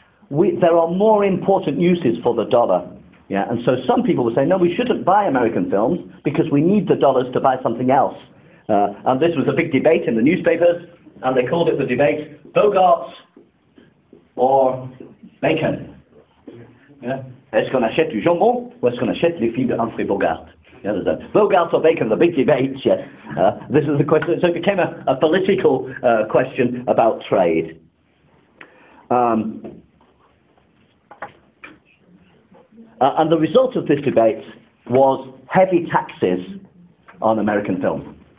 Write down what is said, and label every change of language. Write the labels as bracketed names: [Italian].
[English] There are more important uses for the dollar. Yeah, and so some people were saying, no, we shouldn't buy American films because we need the dollars to buy something else. And this was a big debate in the newspapers, and they called it the debate, Bogarts or Bacon. Yeah. [French] Est-ce qu'on achète du jambon ou est-ce qu'on achète les films de Humphrey Bogart? [English] Yeah, Bogart or Bacon, the big debate. Yeah. This is the question. So it became a political question about trade. And the result of this debate was heavy taxes on American film.